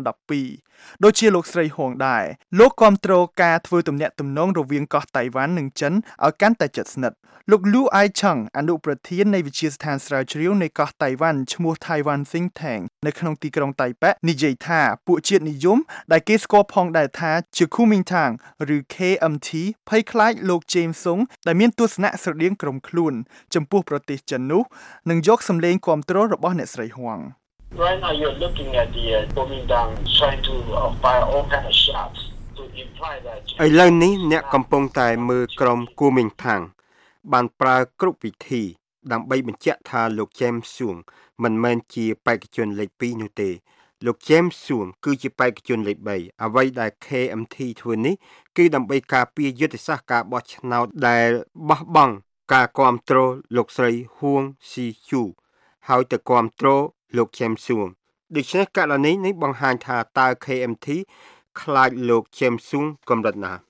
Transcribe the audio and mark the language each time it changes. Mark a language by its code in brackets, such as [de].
[km] 2012ដូចជាលោកស្រីហួងដែរលោកគ្រប់គ្រងការធ្វើទំនាក់ទំនងរវាងកោះតៃវ៉ាន់និងចិនឲ្យកាន់តែជិតស្និទ្ធលោកលូអៃឆងអនុប្រធាននៃវិទ្យាស្ថានស្រាវជ្រាវនៃកោះតៃវ៉ាន់ឈ្មោះ Taiwan Think Tank នៅក្នុងទីក្រុងតៃប៉េនិយាយថាពួកជាតិនិយមដែលគេស្គាល់ផងដែរថាជាឃូមីងថាងឬ KMT ភ័យខ្លាចលោក James Song ដែលមានទស្សនៈស្រដៀងក្រុមខ្លួនចំពោះប្រទេសចិននោះនឹងយកសំឡេងគ្រប់គ្រងរបស់អ្នកស្រីហួង [en] Right now you're looking at the Kuomintang trying to fire all kind of shots to imply that [km] ឥឡូវនេះអ្នកកំពុងតែមើលក្រុមឃូមីងថាងបានប្រើគ្រប់វិធីដើម្បីបញ្ជាក់ថាលោក James Song មិនមែនជាបេក្ខជនលេខ2នោះទេ លោក James Song គឺជាបេក្ខជនលេខ3អ្វីដែល KMT ធ្វើនេះគឺដើម្បីការពារយុទ្ធសាស្ត្រការបោះឆ្នោតដែលបោះបង់ការគ្រប់គ្រងលោកស្រី Huang Shi-chu ហើយទៅគ្រប់គ្រងលោក James Song ដូច្នេះករណីនេះបង្ហាញថាតើ KMT ខ្លាចលោក James Song កម្រិតណា